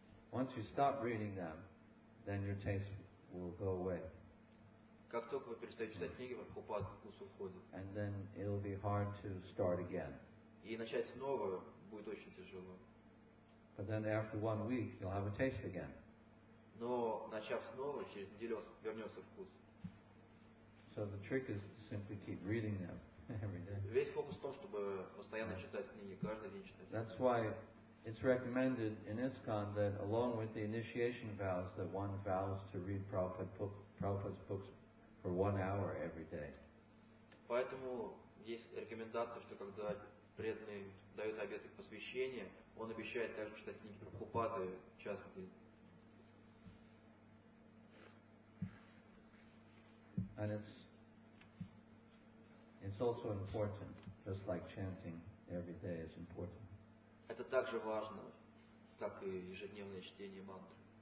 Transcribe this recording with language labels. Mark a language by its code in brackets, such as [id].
[en] Once you stop reading them, then your taste will go away. [ru] Как только вы перестаете читать книги, ваш вкус уходит. [en] And then it'll be hard to start again. [ru] И начать снова будет очень тяжело. [en] But then after 1 week, you'll have a taste again. [ru] Но начав снова, через неделю вернется вкус. [en] So the trick is to simply keep reading them every day. [ru] Весь фокус в том, чтобы постоянно читать книги, каждый день читать. [en] That's why it's recommended in ISKCON that along with the initiation vows, that one vows to read Prabhupada's books for 1 hour every day. [ru] Поэтому есть рекомендация, что когда преданный дает обет и посвящение, он обещает также читать книги Прабхупады час в день. [en] And it's also important, just like chanting every day is important. [ru] Это также важно, как и ежедневное чтение мантры.